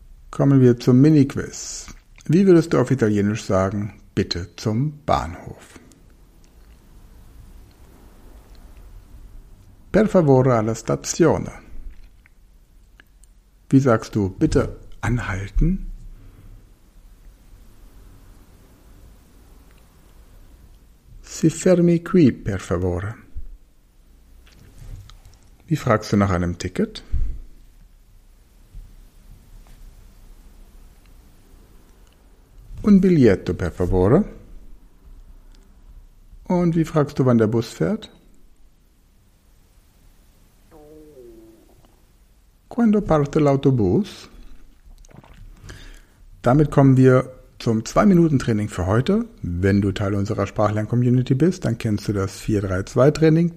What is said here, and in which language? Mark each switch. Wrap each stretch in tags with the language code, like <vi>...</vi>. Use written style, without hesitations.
<de>Kommen wir zum Mini-Quiz. Wie würdest du auf Italienisch sagen, bitte zum Bahnhof?</de> <it>Per favore alla stazione.</it> <de>Wie sagst du, bitte anhalten?</de> <it>Si fermi qui, per favore.</it> <de>Wie fragst du nach einem Ticket?</de> <it>Un biglietto, per favore.</it> <de>Und wie fragst du, wann der Bus fährt?</de> <it>Quando parte l'autobus?</it> <de>Damit kommen wir zum 2-Minuten-Training für heute. Wenn du Teil unserer Sprachlern-Community bist, dann kennst du das 4-3-2-Training.</de>